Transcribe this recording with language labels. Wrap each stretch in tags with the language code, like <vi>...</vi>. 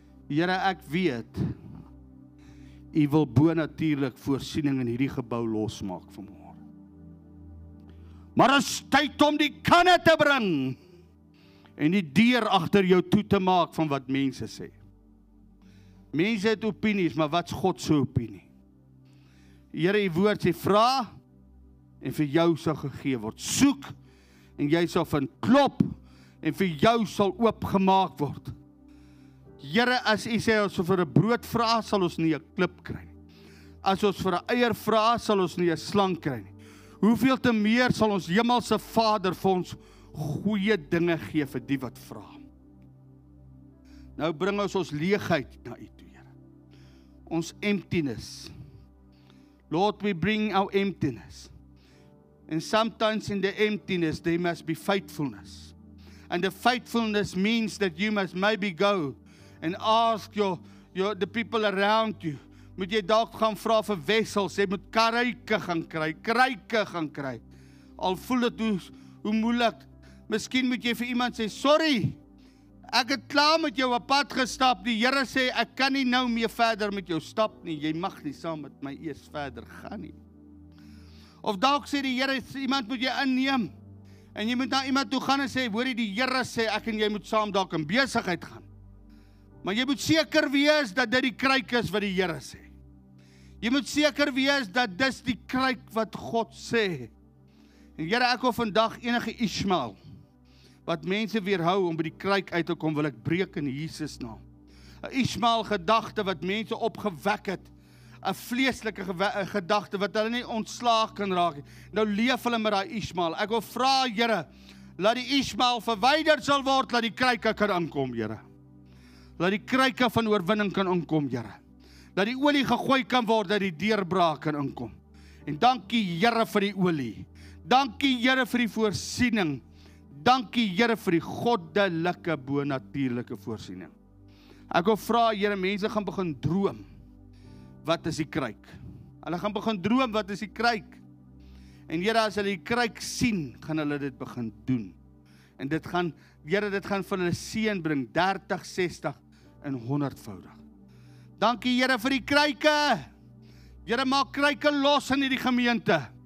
<af>Here, ek weet U wil bonatuurlik voorsiening in hierdie gebou losmaak vanmôre. Maar dit is tyd om die kanne te bring en die deur agter jou toe te maak van wat mense sê. Mense het opinies, maar wat's God se opinie? Here, U woord sê vra en vir jou sal gegee word. Soek en jy sal vind. Klop en vir jou sal oopgemaak word. Here, as U sê ons vir 'n brood vra, sal ons nie 'n klip kry nie. As ons vir 'n eier vra, sal ons nie 'n slang kry nie. Hoeveel te meer sal ons hemelse Vader vir ons goeie dinge gee vir die wat vra. Nou bring ons ons leegheid na U toe, Here. Ons emptiness.</af> <en>Lord, we bring our emptiness. And sometimes in the emptiness, there must be faithfulness. And the faithfulness means that you must maybe go and ask the people around you.</en> <af>Moet jy dalk gaan vra vir wessels, jy moet kruike gaan kry. Al voel dit hoe moeilik. Miskien moet jy vir iemand sê, sorry, ek het klaar met jou op pad gestap. Die Here sê, ek kan nie nou meer verder met jou stap nie. Jy mag nie saam met my eers verder gaan nie. Of dalk sê die Here, iemand moet jy inneem. En jy moet na iemand toe gaan en sê, hoor die Here sê, ek en jy moet saam dalk in besigheid gaan. Maar jy moet seker wees dat dit die kruik is wat die Here sê. Jy moet seker wees dat dis die kruik wat God sê. En Here, ek wil vandag enige Ismael wat mense weerhou om by die kruik uit te kom, wil ek breek in Jesus naam. 'N Ismael gedagte wat mense opgewek het, 'n vleeslike gedagte wat hulle nie ontslaag kan raak nie. Nou leef hulle met daai Ismael. Ek wil vra Here, laat die Ismael verwyder sal word, laat die kruike kan aankom, Here. Dat die kruike van oorwinning kan inkom, Here. Dat die olie gegooi kan word, dat die deurbraak kan inkom. En dankie, Here, vir die olie. Dankie, Here, vir die voorsiening. Dankie, Here, vir die goddelike, bonatuurlike voorsiening. Ek wil vra, Here, mense gaan begin droom. Wat is die kruik? Hulle gaan begin droom, wat is die kruik? En Here, as hulle die kruik sien, gaan hulle dit begin doen. En dit gaan... Here, dit gaan vir hulle seën bring, 30, 60 en 100-voudig. Dankie, Here, vir die kruike. Here, maak kruike los in hierdie gemeente.</af>